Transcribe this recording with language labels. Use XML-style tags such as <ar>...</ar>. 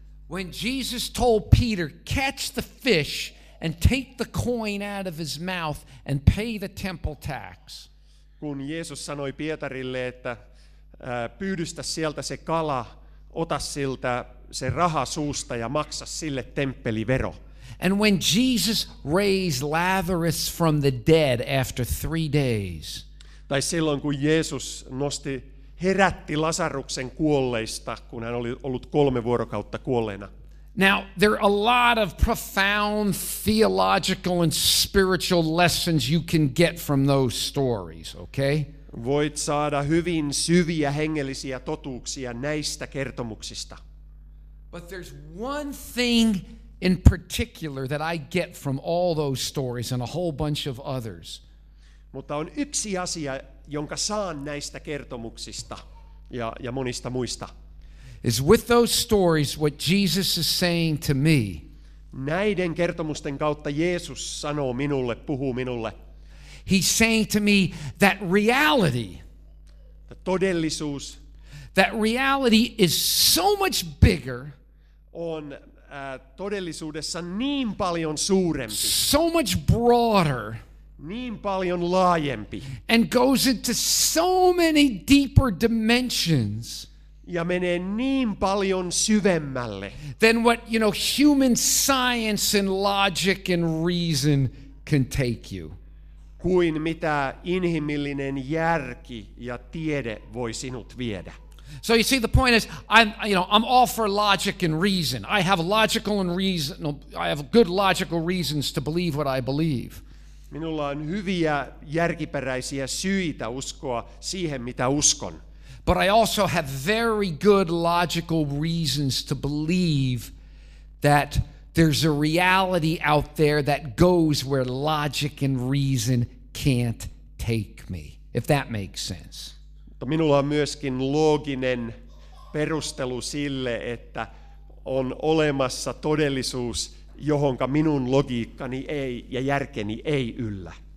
<en>When Jesus told Peter, catch the fish and take the coin out of his mouth and pay the temple tax.</en> <fi>Kun Jeesus sanoi Pietarille, että pyydystä sieltä se kala, ota siltä se raha suusta ja maksa sille temppelivero.</fi> <en>And when Jesus raised Lazarus from the dead after 3 days.</en> <fi>Tai silloin kun Jeesus herätti Lasaruksen kuolleista, kun hän oli ollut 3 vuorokautta kuolleena.</fi> <en>Now there are a lot of profound theological and spiritual lessons you can get from those stories, okay?</en> <fi>Voit saada hyvin syviä hengellisiä totuuksia näistä kertomuksista.</fi> <en>But there's one thing in particular that I get from all those stories and a whole bunch of others.</en> <fi>Mutta on yksi asia, jonka saan näistä kertomuksista ja monista muista.</fi> <en>Is with those stories what Jesus is saying to me.</en> <fi>Näiden kertomusten kautta Jeesus sanoo minulle, puhuu minulle.</fi> <en>He's saying to me that reality.</en> <fi>The todellisuus.</fi> <en>That reality is so much bigger.</en> <fi>On todellisuudessa niin paljon suurempi.</fi> <en>So much broader.</en> <fi>Niin paljon laajempi.</fi> <en>And goes into so many deeper dimensions.</en> <fi>Ja menee niin paljon syvemmälle.</fi> <en>Then what, you know, human science and logic and reason can take you.</en> <fi>Kuin mitä inhimillinen järki ja tiede voi sinut viedä.</fi> <en>So you see, the point is, I'm all for logic and reason. I have logical and reason. I have good logical reasons to believe what I believe.</en> <fi>Minulla on hyviä järkiperäisiä syitä uskoa siihen, mitä uskon.</fi> <en>But I also have very good logical reasons to believe that there's a reality out there that goes where logic and reason can't take me, if that makes sense.</en> <fi>Mutta minulla on myöskin looginen perustelu sille, että on olemassa todellisuus, johonka minun logiikkani ei ja järkeni ei yllä.</fi>